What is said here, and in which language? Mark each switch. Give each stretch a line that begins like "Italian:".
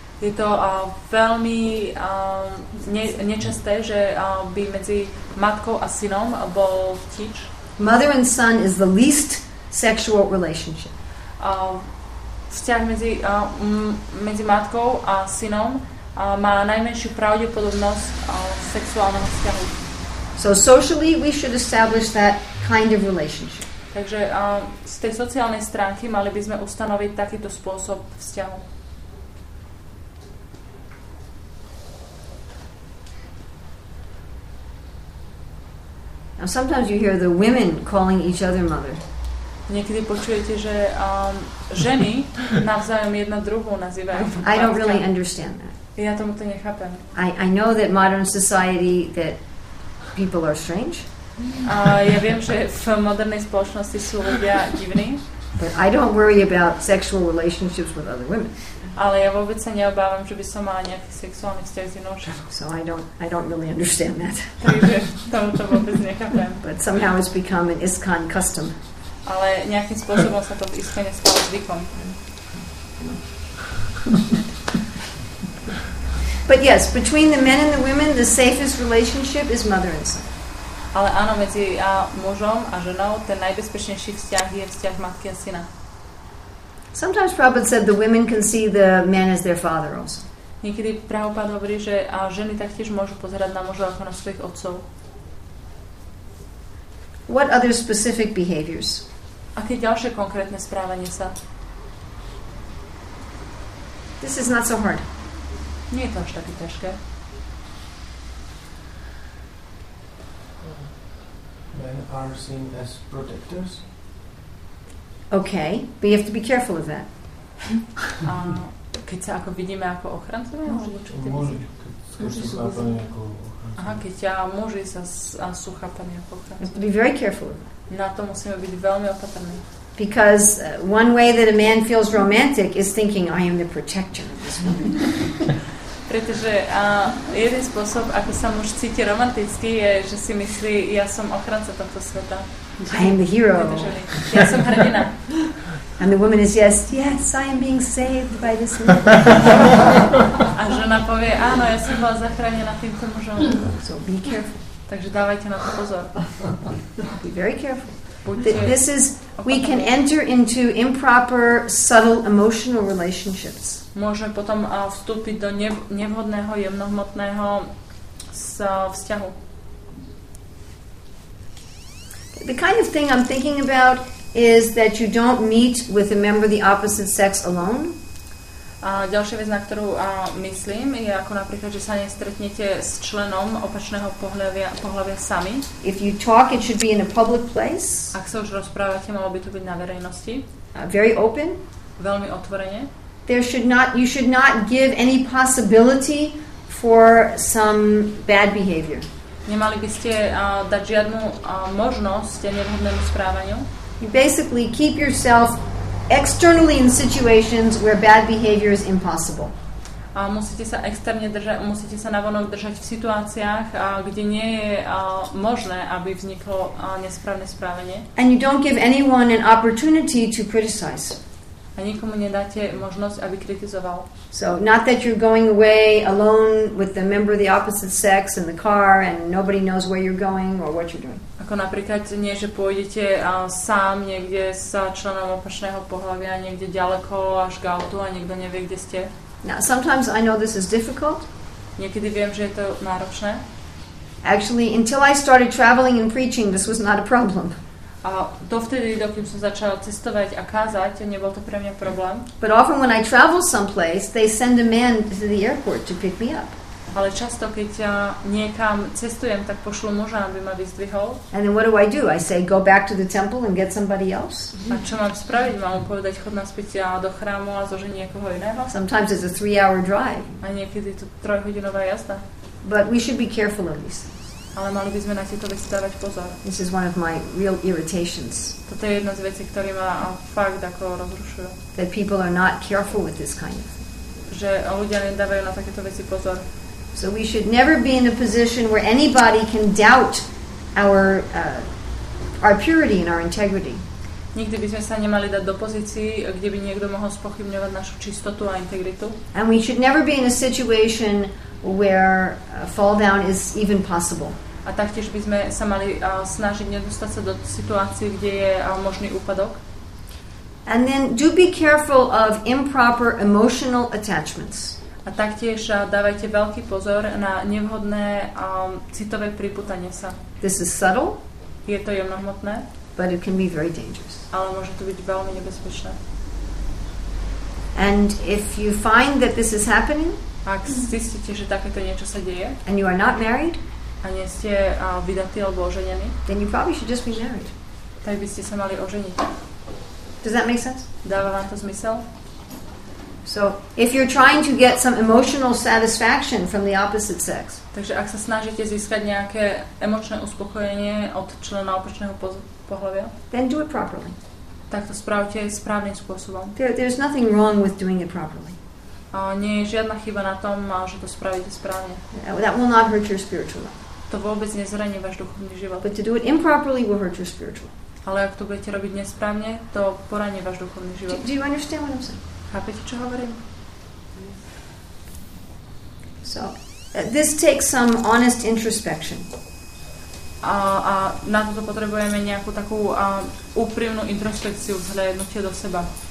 Slovak: Je to veľmi nečasté, že by medzi matkou a synom bol chtič.
English: Mother and son is the least sexual relationship.
Slovak: Vzťah medzi matkou a synom má najmenšiu pravdepodobnosť sexuálneho vzťahu.
English: So socially we should establish that kind of relationship.
Slovak: Takže z tej sociálnej stránky mali by sme ustanoviť takýto spôsob vzťahu.
English: Now sometimes you hear the women calling each other mother.
Slovak: Niekedy počujete, že ženy navzájom jedna druhú nazývajú.
English: I don't really understand that.
Slovak: Ja tomu to nechápem.
English: I know that modern society that people are strange.
Czech: Já vím, že v moderní společnosti jsou lidé divní.
English: But I don't worry about sexual relationships with other women.
Czech: Ale já vůbec se neobávám, že by som mala nějaký sexuální vztah s jinou ženou.
English: So I don't really understand that.
Slovak: Takže to vůbec nechápem.
English: But somehow it's become an ISKCON custom.
Czech: Ale nějakým způsobem se to v ISKCONě stalo zvykom.
English: But yes, between the men and the women, the safest relationship is mother and son.
Czech: Ale ano, mezi mužem a ženou ten nejbezpečnější vztah je vztah matky a syna.
English: Sometimes Prabhupada said the women can see the man as their father also.
Slovak: Někdy Prabhupada hovorí, že ženy taktiež môžu pozerať na mužov ako na svojich otcov.
English: What other specific behaviors?
Slovak: Aké ďalšie konkrétne správanie sa?
English: This is not so hard.
Slovak: Nie je to až také ťažké.
English: Men are seen as protectors. Okay, but you have to be careful of that.
Slovak: Keď sa ako vidíme ako ochrancovia, môžu sú chápaní ako ochrancovia.
English: Be very careful.
Slovak: Na to musíme byť veľmi opatrní.
English: Because one way that a man feels romantic is thinking I am the protector of this woman.
Slovak: Pretože jeden spôsob, ako sa muž cíti romanticky, je, že si myslí, ja som ochranca tohto sveta.
English: I am the hero.
Slovak: Ja som hrdina.
English: And the woman is, yes, I am being saved by this man.
Slovak: A žena povie, áno, ja som bola zachránená týmto mužom.
English: So be careful.
Slovak: Takže dávajte na to pozor.
English: Be very careful. This is, we can enter into improper, subtle emotional relationships.
Slovak: Môžeme potom vstúpiť do nevhodného, jemnohmotného vzťahu.
English: The kind of thing I'm thinking about is that you don't meet with a member of the opposite sex alone.
Slovak: A ďalšia vec, na ktorú myslím, je ako napríklad, že sa nestretnete s členom opačného pohľavia sami.
English: If you talk, it should be in a public place.
Slovak: Ak sa už rozprávate, malo by to byť na verejnosti.
English: Very open.
Slovak: Veľmi otvorene.
English: There should not, you should not give any possibility for some bad behavior.
Slovak: Nemali by ste dať žiadnu možnosť nevhodnému správaniu.
English: You basically keep yourself externally in situations where bad behavior is impossible.
Slovak: A musíte sa externe držať, musíte sa navonok držať v situáciách, kde nie je možné, aby vzniklo nesprávne správanie.
English: And you don't give anyone an opportunity to criticize.
Slovak: A nikomu nedáte možnosť, aby kritizoval.
English: So not that you're going away alone with the member of the opposite sex in the car and nobody knows where you're going or what you're doing.
Slovak: Ako napríklad nie, že pôjdete sám niekde sa členom opačného pohlavia niekde ďaleko až k autu a nikto nevie, kde ste.
English: Now, sometimes I know this is difficult.
Slovak: Niekedy viem, že je to náročné.
English: Actually, until I started traveling and preaching, this was not a problem.
Slovak: A dovtedy, dokým som začala cestovať a kázať, nebol to pre mňa problém.
English: But often when I travel someplace, they send a man to the airport to pick me up.
Slovak: Ale často, keď ja niekam cestujem, tak pošlu muža, aby ma vyzdvihol.
English: And then what do? I say, go back to the temple and get somebody else.
Slovak: A čo mám spraviť? Mám mu povedať, chod naspäť do chrámu a zožiť niekoho iného?
English: Sometimes it's a 3-hour drive.
Slovak: A niekedy je to 3-hodinová jazda.
English: But we should be careful of these.
Slovak: Ale mali by sme na tieto veci dávať pozor.
English: This is one of my real irritations.
Slovak: Toto je jedna z vecí, ktorý ma fakt ako rozrušuje.
English: That people are not careful with this kind of thing.
Slovak: Že ľudia nedávajú na takéto veci pozor.
English: So we should never be in a position where anybody can doubt our purity and our integrity.
Slovak: Nikdy by sme sa nemali dať do pozícií, kde by niekto mohol spochybňovať našu čistotu a integritu.
English: And we should never be in a situation where fall down is even possible.
Slovak: A taktiež by sme sa mali snažiť nedostať sa do situácie, kde je možný úpadok.
English: And then do be careful of improper emotional attachments.
Slovak: A taktiež dávajte veľký pozor na nevhodné citové pripútanie sa.
English: This is subtle.
Slovak: Je to jemnohmotné.
English: But it can be very dangerous.
Slovak: Ale môže to byť veľmi nebezpečné.
English: And if you find that this is happening,
Slovak: ak zistíte, že takéto niečo sa deje,
English: and you are not married,
Slovak: a nie ste vydatí alebo oženení,
English: then you probably should just be married.
Slovak: Tak by ste sa mali oženiť.
English: Does that make sense?
Slovak: Dáva vám to zmysel?
English: So if you're trying to get some emotional satisfaction from the opposite sex,
Slovak: takže ak sa snažíte získať nejaké emočné uspokojenie od člena opačného pohlavia,
English: then do it properly.
Slovak: Tak to spravte správnym spôsobom.
English: There's nothing wrong with doing it properly.
Slovak: A nie je žiadna chyba na tom, že to spravíte správne.
English: That will not hurt your spiritual life.
Slovak: To vôbec nezraní váš duchovný život.
English: But to do it improperly will hurt your spiritual life.
Slovak: Ale ak to budete robiť nesprávne, to poraní váš duchovný život.
English: Do you understand what I'm saying?
Slovak: Chápete, čo hovorím?
English: So, this takes some honest introspection.
Slovak: A na toto potrebujeme nejakú takú úprimnú introspekciu, zhľadnutie do seba.